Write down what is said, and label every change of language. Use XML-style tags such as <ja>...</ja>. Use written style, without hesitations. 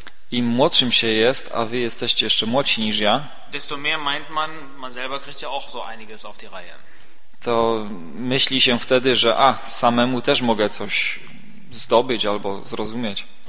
<pl>Im młodszym się jest, a wy jesteście jeszcze młodsi niż ja,</pl> <de>desto mehr meint man, man selber kriegt ja auch so einiges auf die Reihe.</de> <pl>To myśli się wtedy, że samemu też mogę coś zdobyć albo zrozumieć.</pl>